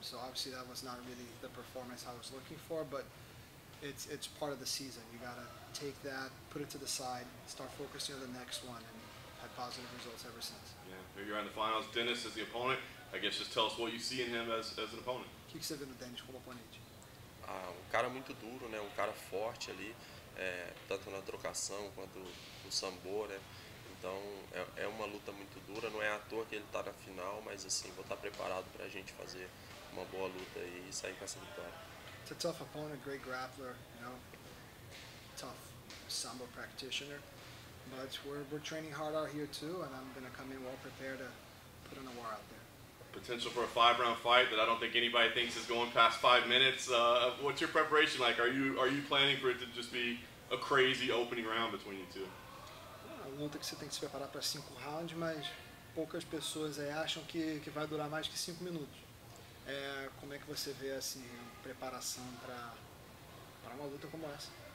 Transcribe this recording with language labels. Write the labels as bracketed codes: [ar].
[en] So obviously that was not really the performance I was looking for, but it's part of the season. You gotta take that, put it to the side, start focusing on the next one, and had positive results ever since. Yeah, here you're in the finals. Dennis is the opponent. I guess just tell us what you see in him as an opponent. [pt] O que você vê no Dennis como oponente? Ah, um cara muito duro, né? Um cara forte ali, tanto na trocação quanto no sambo, né? Então, é uma luta muito dura, não é à toa que ele está na final, mas assim, vou estar preparado para a gente fazer uma boa luta e sair com essa vitória. [en] It's a tough opponent, great grappler, you know, tough sambo practitioner, but we're training hard out here too, and I'm going to come in well prepared to put on a war out there. Potential for a 5-round fight that I don't think anybody thinks is going past 5 minutes. What's your preparation like? Are you planning for it to just be a crazy opening round between you two? [pt] Luta que você tem que se preparar para 5 rounds, mas poucas pessoas aí acham que vai durar mais que 5 minutos. Como é que você vê assim preparação para uma luta como essa?